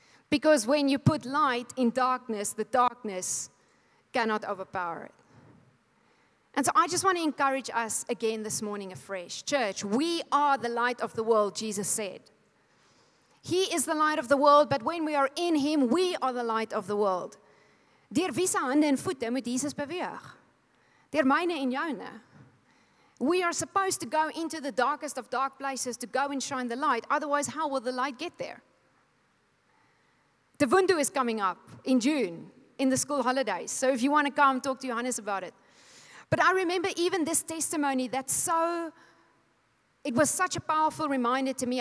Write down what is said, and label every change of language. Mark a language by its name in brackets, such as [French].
[English] Because when you put light in darkness, the darkness cannot overpower it. And so I just want to encourage us again this morning afresh. Church, we are the light of the world, Jesus said. He is the light of the world, but when we are in him, we are the light of the world. [Afrikaans] Deur wie se hande en voete moet Jesus beweeg? Deur myne en joune. [English] We are supposed to go into the darkest of dark places to go and shine the light. Otherwise, how will the light get there? The Wundu is coming up in June in the school holidays. So if you want to come, talk to Johannes about it. But I remember even this testimony it was such a powerful reminder to me.